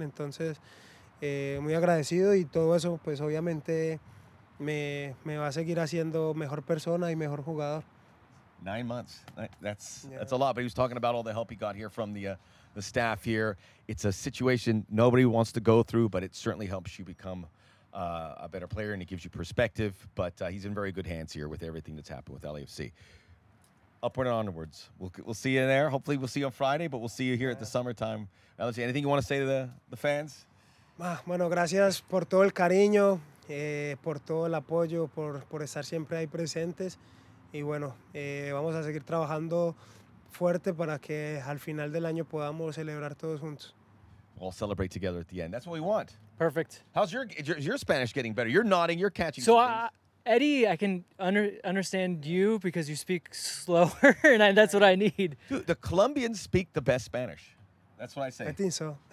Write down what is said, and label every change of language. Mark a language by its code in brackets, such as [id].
[es] Entonces, muy agradecido y todo eso pues obviamente me va a seguir haciendo mejor persona y mejor jugador. [en] 9 months. That's a lot. But he was talking about all the help he got here from the staff here. It's a situation nobody wants to go through, but it certainly helps you become a better player, and it gives you perspective. But he's in very good hands here with everything that's happened with LAFC. Upward and onwards. We'll see you there. Hopefully we'll see you on Friday, but we'll see you here at the summertime. LAFC, anything you want to say to the fans? [es] Bueno, gracias por todo el cariño, por todo el apoyo, por estar siempre ahí presentes. Y bueno, vamos a seguir trabajando fuerte para que al final del año podamos celebrar todos juntos. [en] We'll celebrate together at the end. That's what we want. Perfect. How's your Spanish getting better? You're nodding, you're catching. So, Eddie, I can understand you because you speak slower, and that's what I need. Dude, the Colombians speak the best Spanish. That's what I say. I think so.